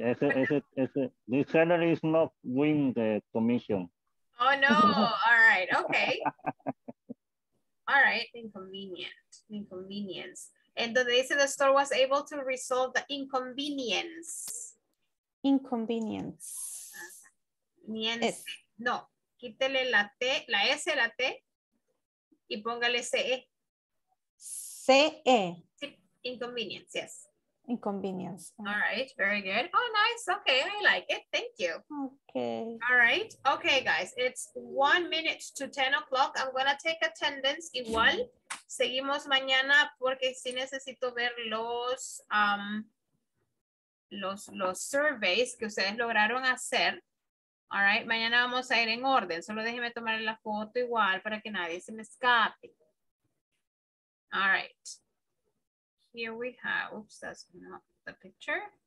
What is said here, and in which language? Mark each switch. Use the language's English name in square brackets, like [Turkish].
[English] Ese, this seller is not win the commission. Oh no, all right, okay. All right, inconvenience. And [Spanish] donde dice [English] the store was able to resolve the inconvenience. Niense. [Spanish] No, quítele la T, la S, la T, y póngale CE. CE. [English] Inconvenience, yes. Inconvenience. All right, very good. Oh, nice. Okay, I like it. Thank you. Okay. All right. Okay, guys, it's 1 minute to 10 o'clock. I'm going to take attendance. [Spanish] Igual, seguimos mañana porque sí necesito ver los surveys que ustedes lograron hacer. [English] All right, [Spanish] mañana vamos a ir en orden. Solo déjeme tomar la foto igual para que nadie se me escape. [English] All right. Here we have, oops, that's not the picture.